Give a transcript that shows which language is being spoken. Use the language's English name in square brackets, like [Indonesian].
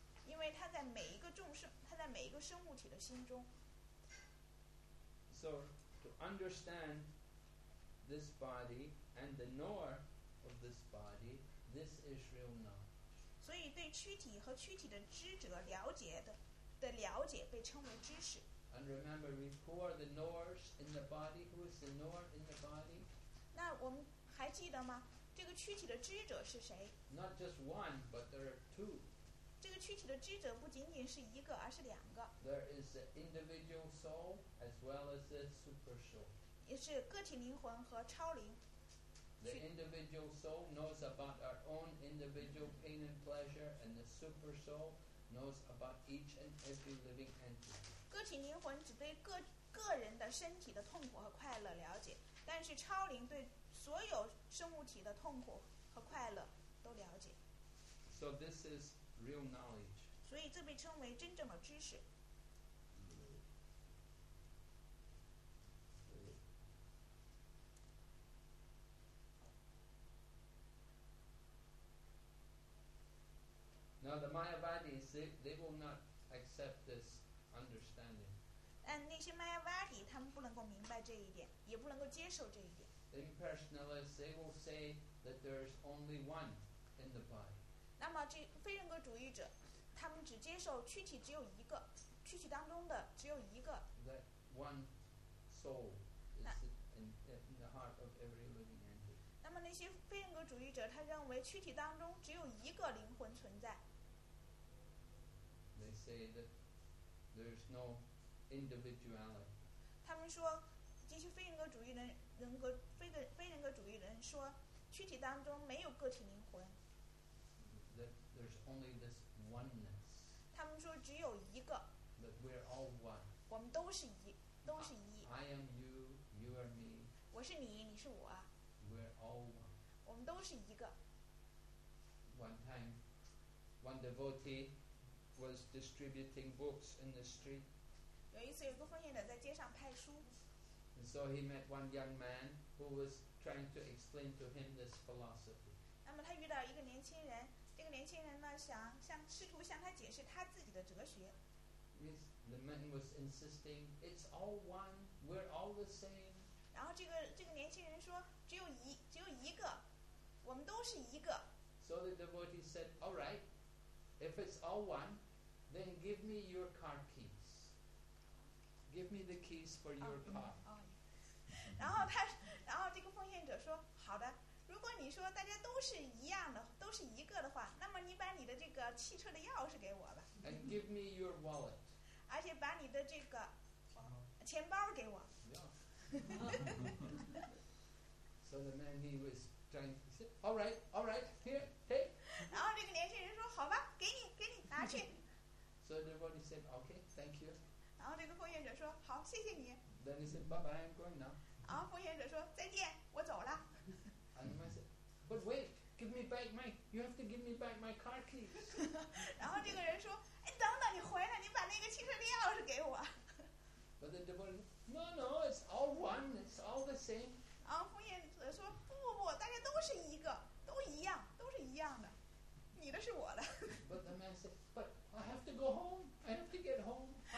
[Chinese] 因为他在每一个众生，他在每一个生物体的心中。 [English] So to understand. This body and the knower of this body, this is real knowledge. [Chinese] 所以对躯体和躯体的知者了解的了解被称为知识。 [English] And remember, who are the knowers in the body? Who is the knower in the body? [Chinese] 那我们还记得吗？这个躯体的知者是谁 [English] ？Not just one, but there are two. [Chinese] 这个躯体的知者不仅仅是一个，而是两个。 [English] There is the individual soul as well as the super soul. [Chinese] 也是个体灵魂和超灵。 [English] The individual soul knows about our own individual pain and pleasure, and the super soul knows about each and every living entity. [Chinese] 个体灵魂只对个人的身体的痛苦和快乐了解，但是超灵对所有生物体的痛苦和快乐都了解。 [English] So this is real knowledge. [Chinese] 所以这被称为真正的知识。 [English] Now the Mayavadis, they will not accept this understanding. [Chinese] 那些 Mayavadi 他们不能够明白这一点，也不能够接受这一点。 [English] The impersonalists, they will say that there is only one in the body. [Chinese] 那么这非人格主义者，他们只接受躯体只有一个，躯体当中的只有一个。 [English] That one soul is in the heart of every living entity. [Chinese] 那么那些非人格主义者，他认为躯体当中只有一个灵魂存在。 [English] They say that there is no individuality. [Chinese] 他们说，这些非人格主义人人格非人格主义人说，躯体当中没有个体灵魂。 [English] That there's only this oneness. [Chinese] 他们说只有一个。 [English] That we're all one. [Chinese] 我们都是一。 [English] I am you, you are me. [Chinese] 我是你，你是我。 [English] We're all one. [Chinese] 我们都是一个。 [English] One time, one devotee. Was distributing books in the street. [Chinese] 有一次，有个奉献者在街上派书。 [English] And so he met one young man who was trying to explain to him this philosophy. [Chinese] 那么他遇到一个年轻人，这个年轻人呢，试图向他解释他自己的哲学。 [English] The man was insisting, "It's all one. We're all the same." [Chinese] 然后这个年轻人说，只有一个，我们都是一个。 [English] So the devotee said, "All right." If it's all one, then give me your car keys. Give me the keys for your car. [Chinese] 然后这个奉献者说，好的，如果你说大家都是一样的，都是一个的话，那么你把你的这个汽车的钥匙给我吧。 [English] And give me your wallet. [Chinese] 而且把你的这个钱包给我。 [English] So the man, he was trying to say, all right, here, take. [Chinese] 然后这个年轻人说，好吧。 [English] So everybody said, "Okay, thank you." [Chinese] 然后这个奉献者说，好，谢谢你。 [English] Then he said, "Bye-bye, I'm going now." [Chinese] 然后奉献者说，再见，我走了。 [English] And the man said, "But wait, give me back my. You have to give me back my car keys." [Chinese] 然后这个人说，哎，等等，你回来，你把那个汽车的钥匙给我。 [English] But the devotee, no, it's all one. It's all the same. [Chinese] 然后奉献者说，不，大家都是一个，都是一样的。 [English] But the man said, "But I have to go home. I have to get home.